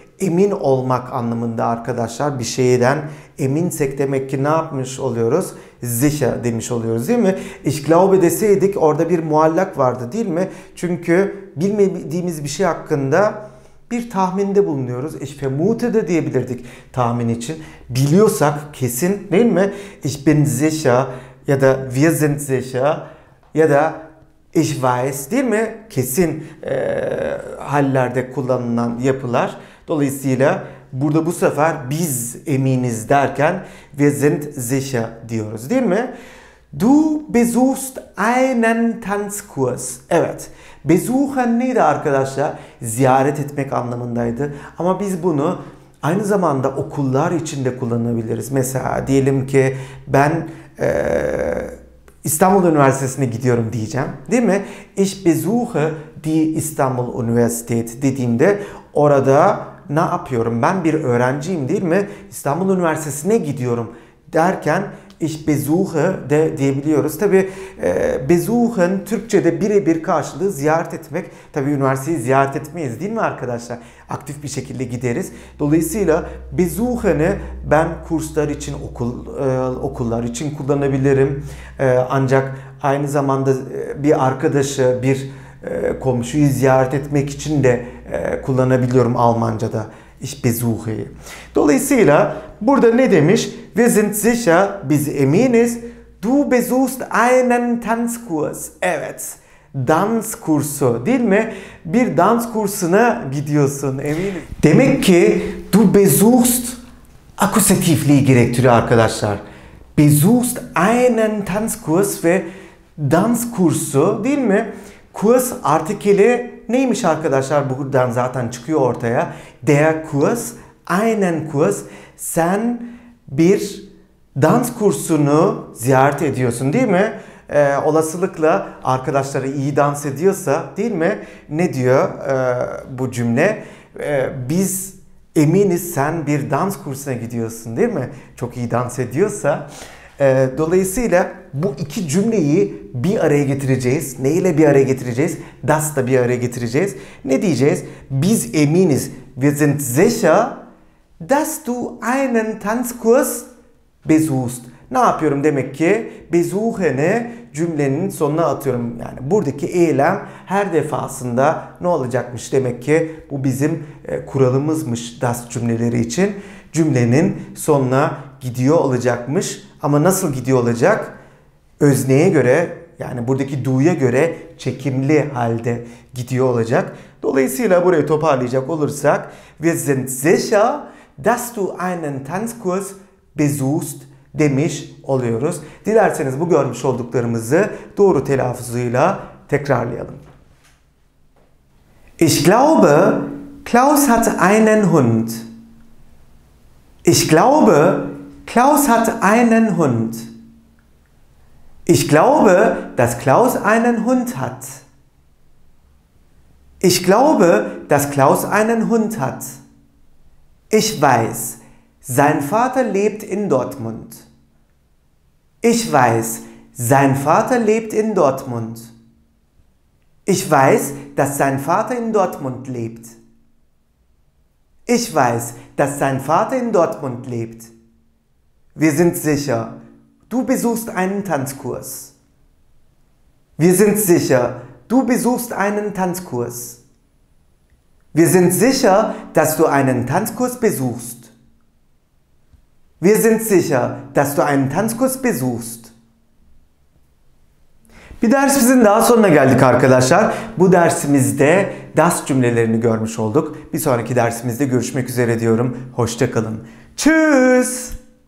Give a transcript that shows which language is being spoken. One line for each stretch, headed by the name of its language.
Turkish: Emin olmak anlamında arkadaşlar. Bir şeyden eminsek demek ki ne yapmış oluyoruz? Sicher demiş oluyoruz, değil mi?
German: Ich glaube
Turkish: deseydik orada bir muallak vardı, değil mi? Çünkü bilmediğimiz bir şey hakkında bir tahminde bulunuyoruz.
German: Ich vermute
Turkish: de diyebilirdik tahmin için. Biliyorsak kesin, değil mi?
German: Ich bin sicher
Turkish: ya da
German: wir sind sicher ya da ich weiß,
Turkish: değil mi? Kesin hallerde kullanılan yapılar. Dolayısıyla burada bu sefer biz eminiz derken
German: wir sind sicher
Turkish: diyoruz, değil mi?
German: Du besuchst einen Tanzkurs.
Turkish: Evet. Besuchen neydi arkadaşlar? Ziyaret etmek anlamındaydı. Ama biz bunu aynı zamanda okullar içinde kullanabiliriz. Mesela diyelim ki ben İstanbul Üniversitesi'ne gidiyorum diyeceğim. Değil mi?
German: Ich besuche die Istanbul Universität
Turkish: dediğimde orada ne yapıyorum? Ben bir öğrenciyim, değil mi? İstanbul Üniversitesi'ne gidiyorum derken
German: Ich besuche
Turkish: de diyebiliyoruz. Tabi besuchen Türkçe'de birebir karşılığı ziyaret etmek. Tabi üniversiteyi ziyaret etmeyiz değil mi arkadaşlar? Aktif bir şekilde gideriz. Dolayısıyla besuchen'i ben kurslar için, okullar için kullanabilirim. Ancak aynı zamanda bir arkadaşı, bir komşuyu ziyaret etmek için de kullanabiliyorum Almanca'da.
German: Ich besuche.
Turkish: Dolayısıyla burada ne demiş?
German: Wir sind sicher,
Turkish: biz eminiz.
German: Du besuchst einen Tanzkurs.
Turkish: Evet. Dans kursu değil mi? Bir dans kursuna gidiyorsun eminim. Demek ki
German: du besuchst
Turkish: akusatifliği gerektiriyor arkadaşlar.
German: Besuchst einen Tanzkurs
Turkish: ve dans kursu değil mi? Kurs artikeli neymiş arkadaşlar? Buradan zaten çıkıyor ortaya.
German: Der Kurs, einen Kurs.
Turkish: Sen bir dans kursunu ziyaret ediyorsun değil mi? Olasılıkla arkadaşları iyi dans ediyorsa değil mi? Ne diyor bu cümle? Biz eminiz sen bir dans kursuna gidiyorsun değil mi? Çok iyi dans ediyorsa. Dolayısıyla bu iki cümleyi bir araya getireceğiz. Neyle bir araya getireceğiz? Das da bir araya getireceğiz. Ne diyeceğiz? Biz eminiz.
German: Wir sind sicher, dass du einen Tanzkurs besuchst.
Turkish: Ne yapıyorum demek ki? Besuchen'i cümlenin sonuna atıyorum. Yani buradaki eylem her defasında ne olacakmış demek ki? Bu bizim kuralımızmış das cümleleri için. Cümlenin sonuna gidiyor olacakmış. Ama nasıl gidiyor olacak? Özneye göre, yani buradaki du'ya göre çekimli halde gidiyor olacak. Dolayısıyla burayı toparlayacak olursak,
German: wir sind sicher, dass du einen Tanzkurs besuchst
Turkish: demiş oluyoruz. Dilerseniz bu görmüş olduklarımızı doğru telaffuzuyla tekrarlayalım.
German: Ich glaube, Klaus hat einen Hund. Ich glaube, Klaus hat einen Hund. Ich glaube, dass Klaus einen Hund hat. Ich glaube, dass Klaus einen Hund hat. Ich weiß, sein Vater lebt in Dortmund. Ich weiß, sein Vater lebt in Dortmund. Ich weiß, dass sein Vater in Dortmund lebt. Ich weiß, dass sein Vater in Dortmund lebt. Wir sind sicher, du besuchst einen Tanzkurs. Wir sind sicher, du besuchst einen Tanzkurs. Wir sind sicher, dass du einen Tanzkurs besuchst. Wir sind sicher, dass du einen Tanzkurs besuchst.
Turkish: Bir dersimizin daha sonuna geldik arkadaşlar. Bu dersimizde das cümlelerini görmüş olduk. Bir sonraki dersimizde görüşmek üzere diyorum. Hoşça kalın.
German: Tschüss.